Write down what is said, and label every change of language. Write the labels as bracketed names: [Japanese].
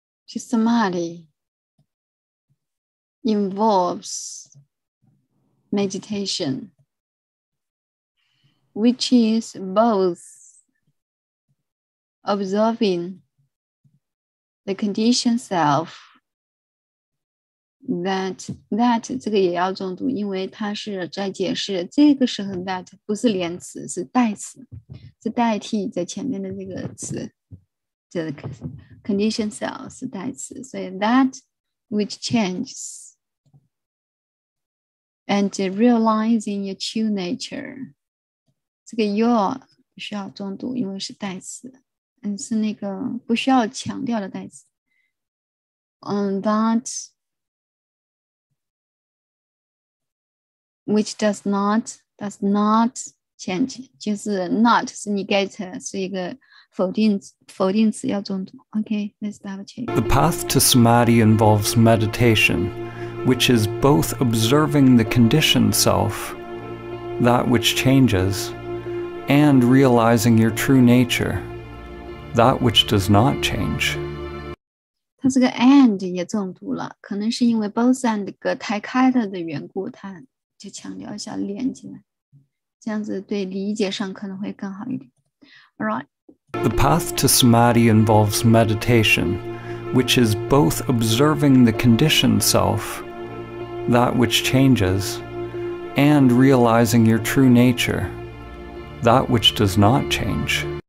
[English] To samadhi involves meditation, which is both observing the conditioned self. [Chinese] That 这个也要重读，因为它是在解释这个时候 that 不是连词，是代词，是代替在前面的这个词。 [English] The conditioned self [Chinese] 是代词，所以 [English] that which changes and realizing your true nature， [Chinese] 这个 your 不需要重读，因为是代词，是那个不需要强调的代词。 [English] That which does not change， [Chinese] 就是 not 是 negate， 是一个否定词，要重读。 [English] Okay, let's double check. The path to samadhi involves meditation, which is both observing the conditioned self, that which changes, and realizing your true nature, that which does not change. [Chinese] 它这个 and 也重读了，可能是因为 both and 隔太开了的缘故，它就强调一下连接，这样子对理解上可能会更好一点。 [English] All right. The path to samadhi involves meditation, which is both observing the conditioned self, that which changes, and realizing your true nature, that which does not change.